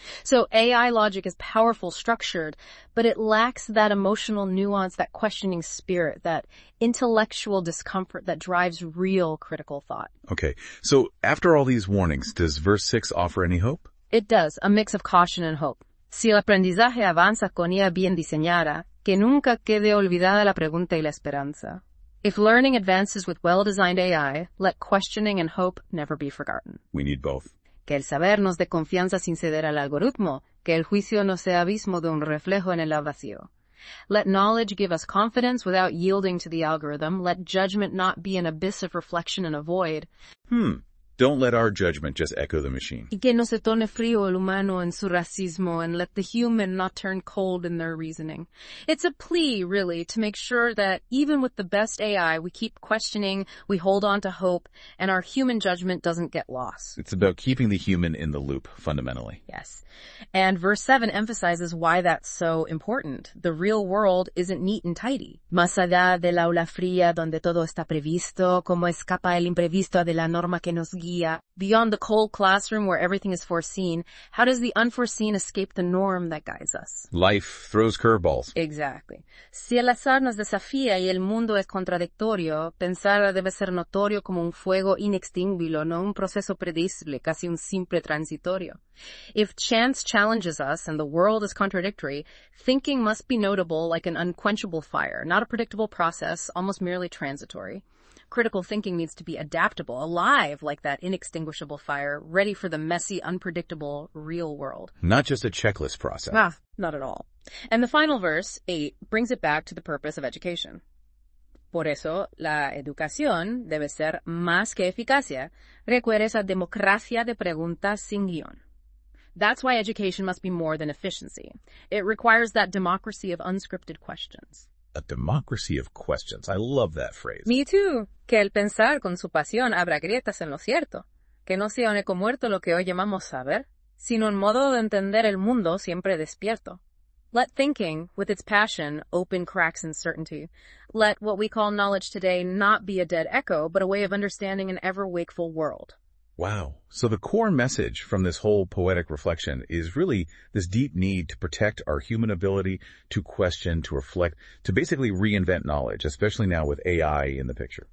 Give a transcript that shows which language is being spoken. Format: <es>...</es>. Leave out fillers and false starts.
<en>So AI logic is powerful, structured, but it lacks that emotional nuance, that questioning spirit, that intellectual discomfort that drives real critical thought. Okay, so after all these warnings, does verse 6 offer any hope? It does, a mix of caution and hope.</en> <es>Si el aprendizaje avanza con IA bien diseñada, que nunca quede olvidada la pregunta y la esperanza.</es> <en>If learning advances with well-designed AI, let questioning and hope never be forgotten. We need both.</en> <es>Que el saber nos dé confianza sin ceder al algoritmo, que el juicio no sea abismo de un reflejo en el vacío.</es> <en>Let knowledge give us confidence without yielding to the algorithm. Let judgment not be an abyss of reflection and a void. Don't let our judgment just echo the machine.</en> <es>Y que no se torne frío el humano en su racismo,</es> <en>and let the human not turn cold in their reasoning. It's a plea, really, to make sure that even with the best AI, we keep questioning, we hold on to hope, and our human judgment doesn't get lost. It's about keeping the human in the loop, fundamentally. Yes. And verse 7 emphasizes why that's so important. The real world isn't neat and tidy.</en> <es>Más allá del aula fría donde todo está previsto, como escapa el imprevisto de la norma que nos guía.</es> <en>Beyond the cold classroom where everything is foreseen, how does the unforeseen escape the norm that guides us? Life throws curveballs. Exactly.</en> <es>Si el azar nos desafía y el mundo es contradictorio, pensar debe ser notorio como un fuego inextinguible, no un proceso predecible, casi un simple transitorio.</es> <en>If chance challenges us and the world is contradictory, thinking must be notable like an unquenchable fire, not a predictable process, almost merely transitory. Critical thinking needs to be adaptable, alive, like that inextinguishable fire, ready for the messy, unpredictable, real world. Not just a checklist process. Ah, not at all. And the final verse, 8, brings it back to the purpose of education.</en> <es>Por eso, la educación debe ser más que eficacia. Requiere esa democracia de preguntas sin guión.</es> <en>That's why education must be more than efficiency. It requires that democracy of unscripted questions. A democracy of questions. I love that phrase. Me too.</en> <es>Que el pensar con su pasión abra grietas en lo cierto. Que no sea un eco muerto lo que hoy llamamos saber, sino un modo de entender el mundo siempre despierto.</es> <en>Let thinking, with its passion, open cracks in certainty. Let what we call knowledge today not be a dead echo, but a way of understanding an ever-wakeful world. Wow. So the core message from this whole poetic reflection is really this deep need to protect our human ability to question, to reflect, to basically reinvent knowledge, especially now with AI in the picture.</en>